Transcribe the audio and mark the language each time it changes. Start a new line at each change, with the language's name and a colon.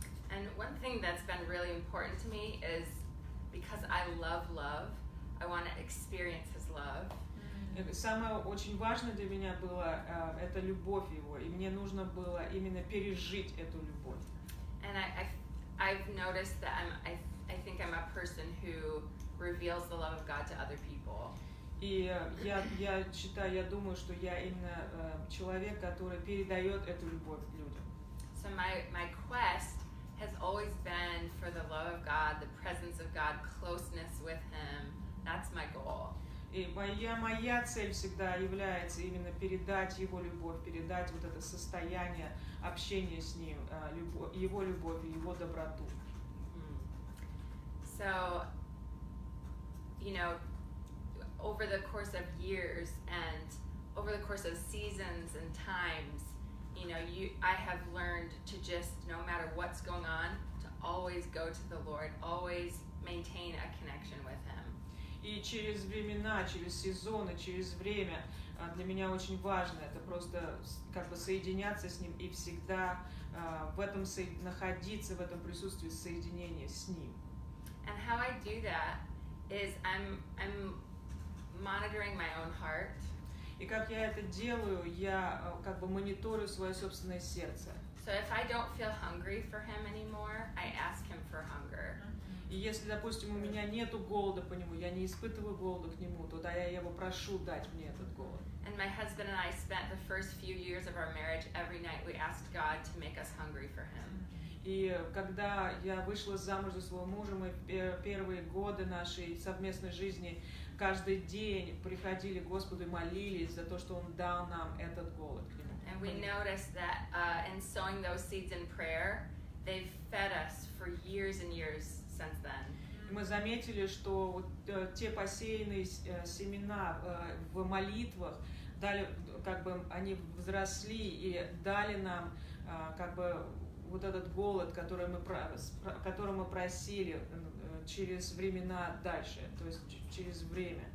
English: And one thing that's been really important to me is because I love love, I want to experience His love.
Russian: Самое очень важное для меня было это любовь Его, и мне нужно было именно пережить эту любовь.
English: And I've noticed that I think I'm a person who reveals the love of God to other people.
Russian: И я считаю, я думаю, что я именно человек, который передает эту любовь людям.
English: So my quest has always been for the love of God, the presence of God, closeness with Him. That's my goal.
Russian: И моя цель всегда является именно передать Его любовь, передать вот это состояние общения с Ним, Его любовь и Его доброту.
English: So, you know, over the course of years and over the course of seasons and times, you know, I have learned to just, no matter what's going on, to always go to the Lord, always maintain a connection with Him.
Russian: И через времена, через сезоны, через время, для меня очень важно это просто как бы соединяться с Ним и всегда в этом находиться, в этом присутствии соединения с Ним.
English: And how I do that is I'm monitoring my own heart.
Russian: И как я это делаю, я как бы мониторю свое собственное сердце.
English: So if I don't feel hungry for Him anymore, I ask Him for hunger.
Russian: И если, допустим, у меня нету голода по Нему, я не испытываю голода к Нему, тогда я Его прошу дать мне этот голод.
English: And my husband and I spent the first few years of our marriage every night we asked God to make us hungry for Him.
Russian: И когда я вышла замуж за своего мужа, мы первые годы нашей совместной жизни каждый день приходили к Господу и молились за то, что Он дал нам этот голод к Нему.
English: And we noticed that in sowing those seeds in prayer, they've fed us for years and years since then.
Russian: И мы заметили, что вот те посеянные семена в молитвах дали, как бы они взросли и дали нам, как бы вот этот голод, который мы просили через времена дальше, то есть через время.